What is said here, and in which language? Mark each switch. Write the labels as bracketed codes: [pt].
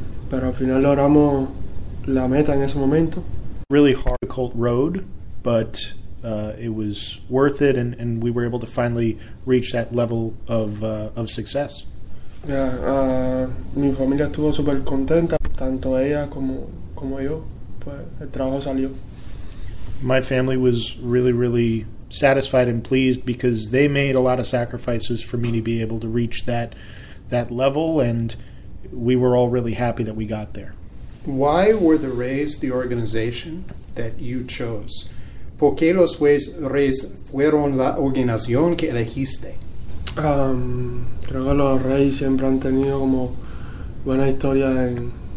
[es] Pero al final logramos la meta en ese momento. [en] Really hard, difficult road, but it was worth it, and we were able to finally reach that level of success. [es] Yeah, mi familia estuvo super contenta. Tanto ella como yo, pues el trabajo salió. [en] My family was really, really satisfied and pleased because they made a lot of sacrifices for me to be able to reach that level, and we were all really happy that we got there. Why were the Rays the organization that you chose? [es] ¿Por qué los Rays fueron la organización que elegiste? Creo que los Rays siempre han tenido como buena historia en...